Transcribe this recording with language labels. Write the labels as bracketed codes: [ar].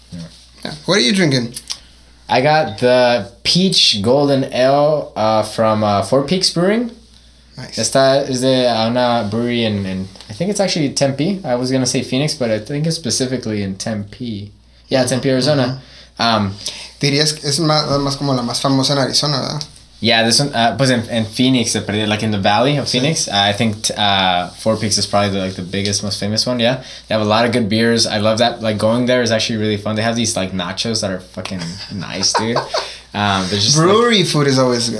[en] Yeah. Yeah. What are you drinking? I got the Peach Golden Ale from Four Peaks Brewing. Nice. [es] Esta es de una [en] brewery in, I think it's actually Tempe. I was going to say Phoenix, but I think it's specifically in Tempe. Yeah, Tempe, Arizona. [es] Dirías que es más como la más famosa en Arizona, ¿verdad? [en] Yeah, this one was in Phoenix, like in the valley of Phoenix. I think Four Peaks is probably the biggest, most famous one. Yeah, they have a lot of good beers. I love that. Like going there is actually really fun. They have these like nachos that are fucking nice, dude. Just brewery like, food is always good.